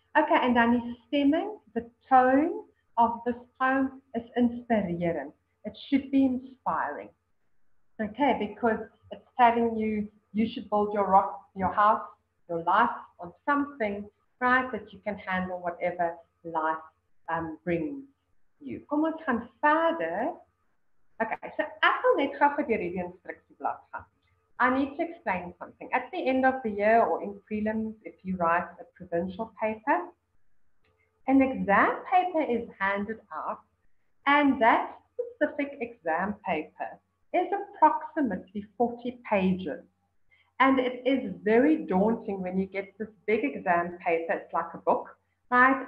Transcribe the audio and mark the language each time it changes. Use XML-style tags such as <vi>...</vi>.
<en>Okay, and then is stemming, the tone of this poem is inspirerend. It should be inspiring. Okay, because it's telling you, you should build your rock, your house, your life on something, right, that you can handle whatever life brings.</en> <af>You. Kom ons gaan verder. Okay, so ek wil net gaan vir die instruksieblad gaan.</af> <en>I need to explain something. At the end of the year or in prelims, if you write a provincial paper, an exam paper is handed out, and that specific exam paper is approximately 40 pages. And it is very daunting when you get this big exam paper, it's like a book, right?</en>